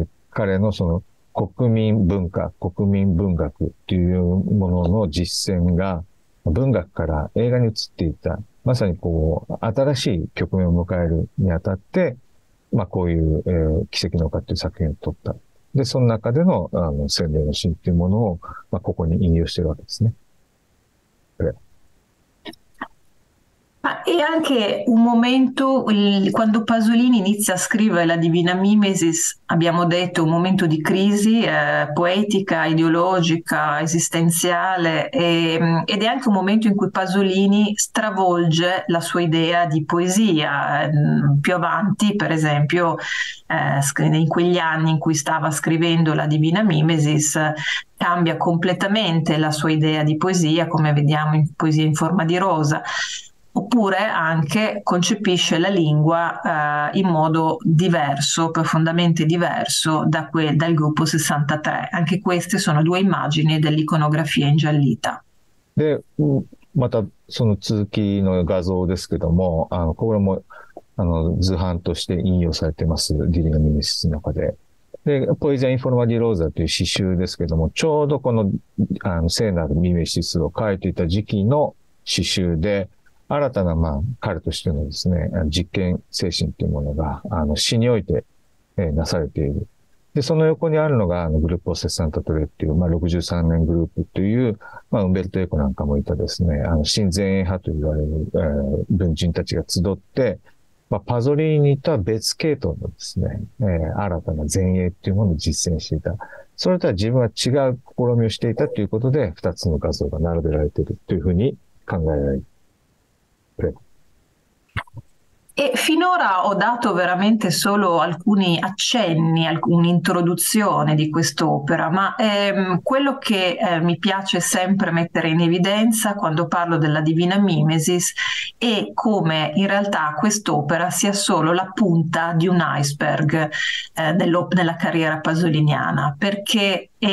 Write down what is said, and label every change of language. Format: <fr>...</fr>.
<ja>彼のその国民文学というものの実践が文学から映画に移っていった、まさにこう、新しい局面を迎えるにあたって、まあこういう、奇跡の丘っていう作品を撮った。で、その中での、洗礼のシーンっていうものを、まあここに引用してるわけですね。</ja> <it>Ma è anche un momento, quando Pasolini inizia a scrivere la Divina Mimesis, abbiamo detto, un momento di crisi poetica, ideologica, esistenziale, ed è anche un momento in cui Pasolini stravolge la sua idea di poesia. Più avanti, per esempio, in quegli anni in cui stava scrivendo la Divina Mimesis, cambia completamente la sua idea di poesia, come vediamo in Poesia in forma di rosa. Oppure oppure anche concepisce la lingua in modo diverso, profondamente diverso da dal gruppo 63. Anche queste sono due immagini dell'iconografia ingiallita.</it> <ja>で、またその続きの画像ですけども、これも図版として引用されてます。ディリガミニスの中で。で、ポイゼンインフォルマディローザという詩集ですけども、ちょうどこの、聖なるミメシスを書いていた時期の詩集で、新たな、彼としてのですね、実験精神というものが、詩において、なされている。で、その横にあるのが、グループオセサンタトレっていう、63年グループという、ウンベルトエコなんかもいたですね、新前衛派と言われる、文人たちが集って、パゾリーニとは別系統のですね、新たな前衛っていうものを実践していた。それとは自分は違う試みをしていたということで、二つの画像が並べられているというふうに考えられる。</ja> <it>E finora ho dato veramente solo alcuni accenni, un'introduzione di quest'opera, ma quello che mi piace sempre mettere in evidenza quando parlo della Divina Mimesis è come in realtà quest'opera sia solo la punta di un iceberg nella carriera pasoliniana, perché</it>